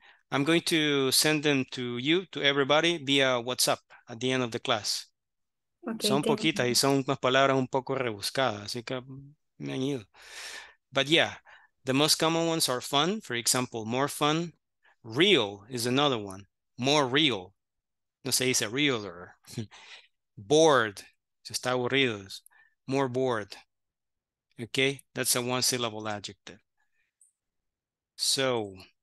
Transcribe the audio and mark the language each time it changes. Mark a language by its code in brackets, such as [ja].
[en] I'm going to send them to you, to everybody, via WhatsApp at the end of the class. Okay, [es] son poquitas y son unas palabras un poco rebuscadas, así que me han ido. [en] But yeah, the most common ones are fun, for example, more fun. Real is another one. More real. [es] No se dice realer. [en] Bored. [es] Se está aburrido. [en] More bored. Okay, that's a one-syllable adjective. So...